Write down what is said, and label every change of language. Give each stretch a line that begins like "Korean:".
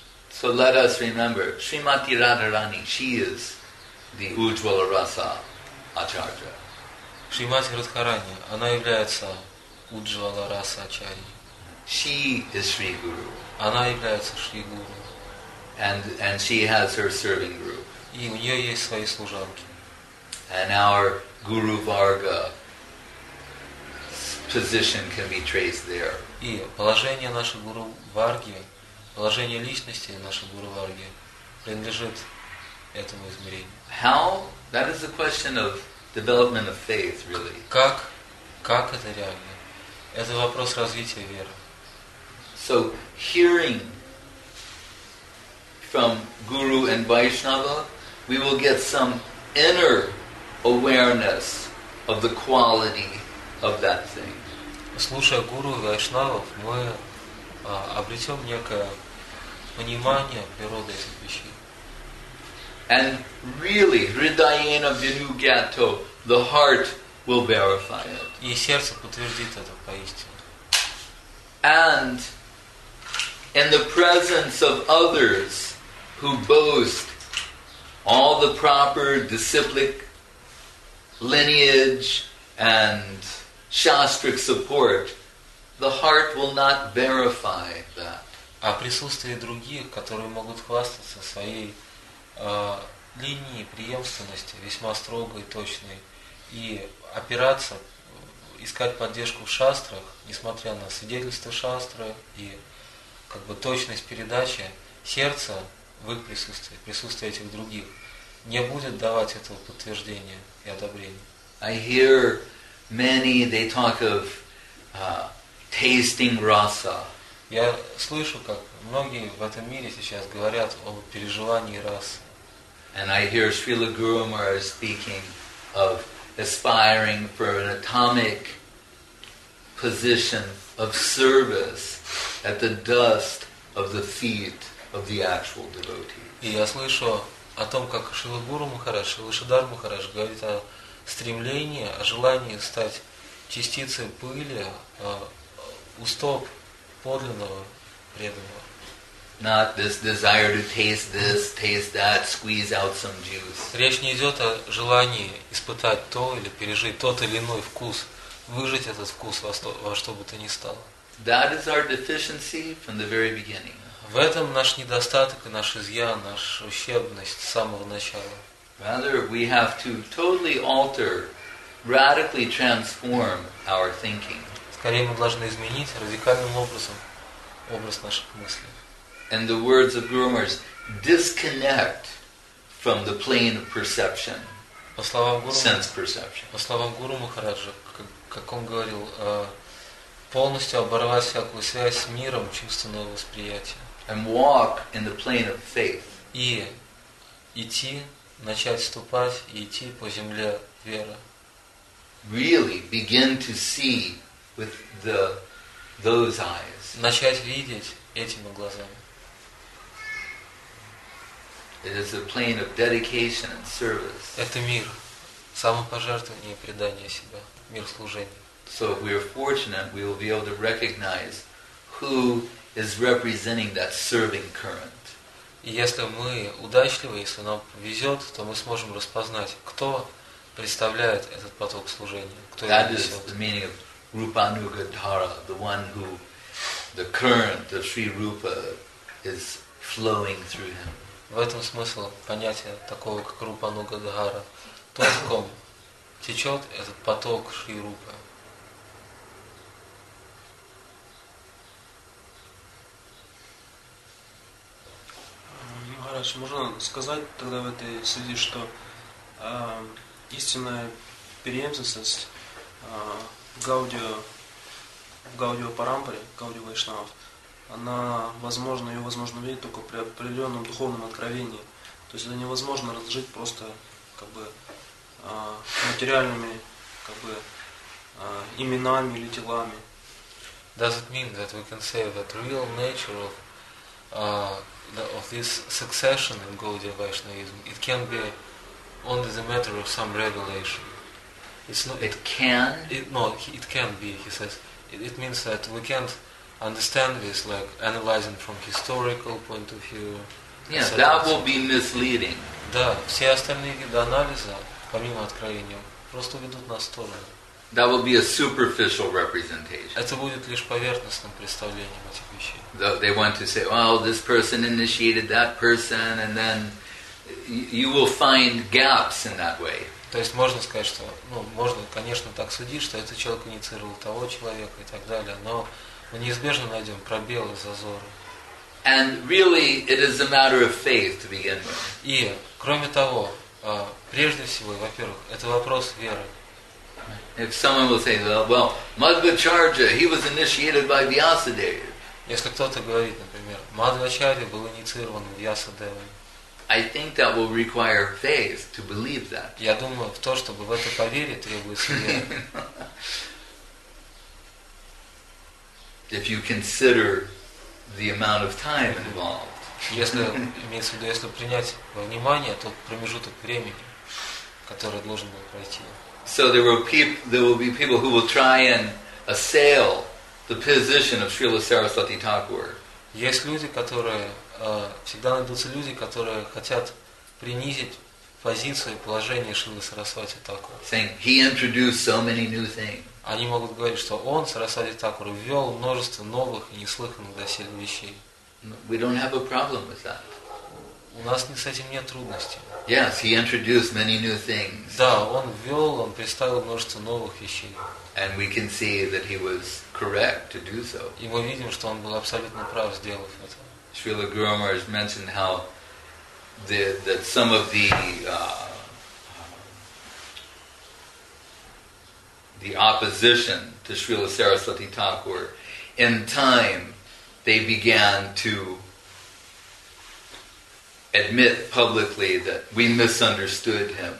English: So let us remember, Srimati Radharani, she is the Ujjvala Rasa Acharya.
Russian: Шримати Радхарани, она является Ujjvala Rasa Acharya.
English: She is Sri Guru.
Russian: Она является Шри Гуру.
English: And she has her serving group.
Russian: И у нее есть свои служанки.
English: And our Guru Varga position can be traced there.
Russian: И положение нашего гуру Варги, положение личности нашего гуру Варги принадлежит этому измерению.
English: How? That is a question of development of faith, really.
Russian: Как это реально? Это вопрос развития веры.
English: So hearing from Guru and Vaishnava, we will get some inner awareness of the quality of that thing.
Russian: Слушая гуру и вайшнавов, мы обретем некое понимание природы этих вещей.
English: And really, Hridayena Vinugato, the heart will verify it.
Russian: И сердце подтвердит это поистине.
English: And in the presence of others who boast all the proper disciplic lineage and shastric support, the heart will not verify that.
Russian: А присутствие других, которые могут хвастаться своей линией преемственности, весьма строгой и точной, и опираться, искать поддержку в шастрах, несмотря на свидетельство шастры и как бы точность передачи сердца в их присутствии, присутствие этих других, не будет давать этого подтверждения и одобрения.
English: I hear many, they talk of tasting rasa.
Russian: Я слышу, как многие в этом мире сейчас говорят о переживании расы.
English: And I hear Srila Guru Maharaj speaking of aspiring for an atomic position of service at the dust of the feet of the actual devotee.
Russian: И я слышу о том, как Шрила Гуру Махарадж, Шилашидар Махарадж говорит о стремлении, о желании стать частицей пыли у стоп подлинного преданного.
English: Not this desire to taste this, taste that, squeeze out some juice.
Russian: Речь не идет о желании испытать то или пережить тот или иной вкус, выжить этот вкус во что бы то ни стало.
English: That is our deficiency from the very beginning.
Russian: В этом наш недостаток и наш изъян, наша ущербность с самого начала.
English: Rather, we have to totally alter, radically transform our thinking.
Russian: Скорее мы должны изменить радикальным образом образ наших мыслей.
English: And the words of Guru Maharaj, disconnect from the plane of perception, sense perception.
Russian: По словам Гуру Махараджа, как он говорил, полностью оборвать всякую связь с миром чувственного восприятия.
English: And walk in the plane of faith.
Russian: И идти, начать ступать и идти по земле веры.
English: Really begin to see with those eyes.
Russian: Начать видеть этими глазами.
English: It is a plane of dedication and service.
Russian: Это мир самопожертвования и предания себя, мир служения.
English: So if we are fortunate, we will be able to recognize who is representing that serving current.
Russian: И если мы удачливы, если нам повезет, то мы сможем распознать, кто представляет этот поток служения, кто его несет.
English: That is the meaning of Rupanugadhara, the one who the current of Sri Rupa is flowing through him.
Russian: В этом смысл понятия такого, как Рупанугадхара. То, в ком течет этот поток Шри Рупы. Махарадж, можно сказать тогда в этой связи, что истинная преемственность в Гаудио Парампаре, Гаудио Вайшнавов, она возможна, ее возможно видеть только при определенном духовном откровении. То есть это невозможно разжить просто как бы материальными как бы именами или телами.
English: Does it mean that we can say that real nature of of this succession in Gaudiya Vaishnavism it can be only the matter of some revelation? It's not it can? It, no, it can be, he says. It means that we can't understand this, like analyzing from historical point of view. Yes, that will be misleading.
Russian: Да, все остальные виды анализа, помимо откровения, просто ведут нас в сторону.
English: That will be a superficial representation.
Russian: Это будет лишь поверхностным представлением этих вещей.
English: They want to say, well, this person initiated that person, and then you will find gaps in that way.
Russian: То есть можно сказать, что, ну, можно, конечно, так судить, что этот человек инициировал того человека и так далее, но мы неизбежно найдем пробелы, зазоры.
English: And really, it is a matter of faith to begin with.
Russian: И, кроме того, прежде всего, во-первых, это вопрос веры.
English: If someone will say, well, Madhvacharya, he was initiated by Vyasadeva.
Russian: Если кто-то говорит, например, Мадхвачарья был инициирован Вьясадевой.
English: I think that will require faith to believe that.
Russian: Я думаю, в то, чтобы в это поверить, требуется вера.
English: If you consider the amount of time involved.
Russian: Если имеется в виду, если принять во внимание тот промежуток времени, который должен был пройти.
English: So there will be people who will try and assail the position of Srila Saraswati Thakur.
Russian: Есть люди, которые всегда найдутся люди, которые хотят принизить позицию и положение Шрилы Сарасвати Такура.
English: Saying he introduced so many new things.
Russian: Они могут говорить, что он, Сарасвати Такур, ввел множество новых и неслыханных доселе вещей.
English: We don't have a problem with that.
Russian: У нас с этим нет трудностей.
English: Yes, he introduced many new things.
Russian: Да, он ввел, он представил множество новых вещей.
English: And we can see that he was correct to do so.
Russian: И мы видим, что он был абсолютно прав, сделав это.
English: Srila Guru Maharaj mentioned how that some of the opposition to Srila Saraswati Thakur, in time, they began to admit publicly that we misunderstood him.